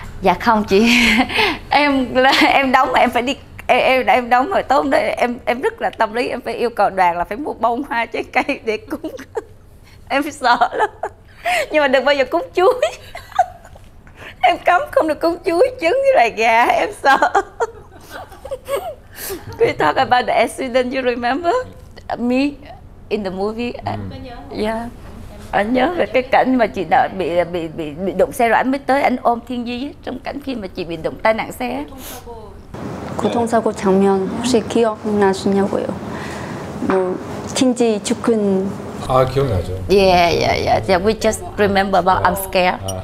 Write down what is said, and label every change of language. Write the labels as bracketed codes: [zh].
[vi] Dạ không chị em đóng mà em phải đi em đóng hồi tốt đấy, em rất là tâm lý, em phải yêu cầu đoàn là phải mua bông hoa trái cây để cúng em sợ lắm, nhưng mà đừng bao giờ cúng chuối em cấm không được cúng chuối, trứng với lại gà, em sợ. [en] We talk about the accident, you remember me in the movie? Yeah, [vi] anh nhớ về cái cảnh mà chị đã bị đụng xe rồi anh mới tới, anh ôm Thiên Di trong cảnh khi mà chị bị đụng tai nạn xe. [ko] 교통사고 장면 혹시 기억나시냐고요? 뭐 킨지 죽은 아 기억나죠. [en] Yeah, yeah, yeah. Yeah, we just remember about I'm scared.